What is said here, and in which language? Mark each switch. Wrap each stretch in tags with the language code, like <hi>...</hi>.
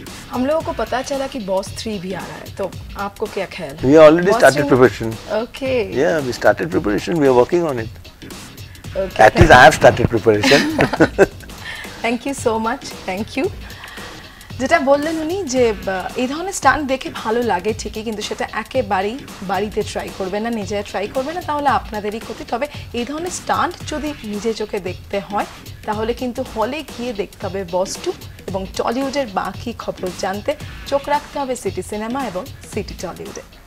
<hi>हम लोगों को पता चला कि बॉस 3 भी आ रहा है तो आपको क्या ख्याल है?</hi> <en>We already started preparation. Okay. Yeah, we started preparation. We are working on it. Okay. At least I have started preparation. Thank you so much. Thank you.</en> <bn>যেটা বললেন উনি যে এই ধরনের স্টান্ট দেখে ভালো লাগে ঠিকই কিন্তু সেটা একেবারেই বাড়িতে ট্রাই করবে না নিজে ট্রাই করবে না তাহলে আপনাদেরই ক্ষতি. তবে এই ধরনের স্টান্ট যদি নিজে চোখে দেখতে হয় তাহলে কিন্তু হলে গিয়ে দেখতে হবে বস 2 এবং টলিউডের বাকি খবর জানতে চোখ রাখতে হবে সিটি সিনেমা এবং সিটি টলিউডে.</bn>